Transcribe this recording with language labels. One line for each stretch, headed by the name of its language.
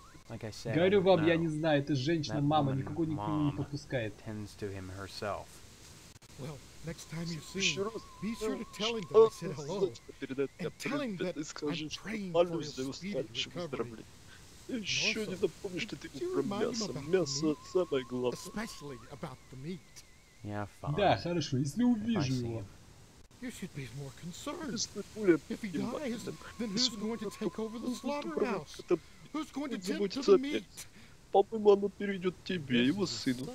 English: Like I said,
Russian: говорю вам, я не знаю, это женщина, мама, никого никто не подпускает.
English: Tends to him herself. Well, next time you see him, be sure to tell him that I said hello. And tell him that I'm praying for his speedy recovery. And also, did you remind him about the meat? Especially about the meat. Yeah, fine.
Russian: Да, хорошо, если увижу его.
English: You should be more concerned. If he dies, then who's going to take over the slaughterhouse? Who's going to tend to the meat?
Russian: По-моему, оно перейдет тебе, его сыну.